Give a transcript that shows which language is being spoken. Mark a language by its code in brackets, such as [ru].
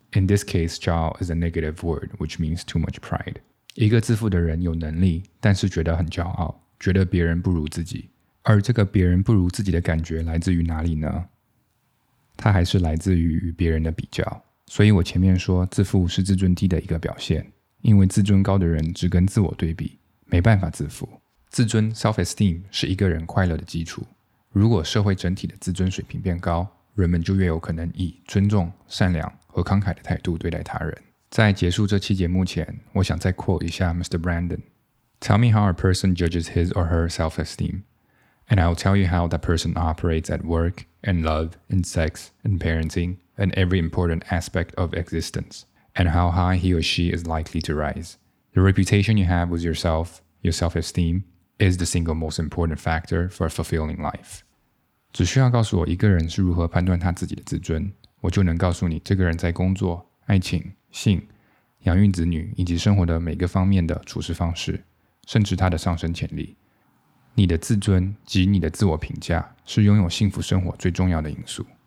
[en] In this case， 骄傲 is a negative word which means too much pride。 [zh] 一个自负的人有能力，但是觉得很骄傲，觉得别人不如自己。而这个别人不如自己的感觉来自于哪里呢？它还是来自于与别人的比较。所以我前面说自负是自尊低的一个表现，因为自尊高的人只跟自我对比，没办法自负。自尊 self-esteem 是一个人快乐的基础。如果社会整体的自尊水平变高，人们就越有可能以尊重、善良和慷慨的态度对待他人。在结束这期节目前，我想再 quote 一下 Mr. Brandon。 [en] Tell me how a person judges his or her self-esteem, and I'll tell you how that person operates at work, in love, in sex, in parentingand every important aspect of existence, and how high he or she is likely to rise. The reputation you have with yourself, your self-esteem, is the single most important factor for a fulfilling life. [zh] 只需要告诉我一个人是如何判断他自己的自尊，我就能告诉你这个人在工作、爱情、性、养育子女以及生活的每个方面的处事方式，甚至他的上升潜力。你的自尊及你的自我评价是拥有幸福生活最重要的因素。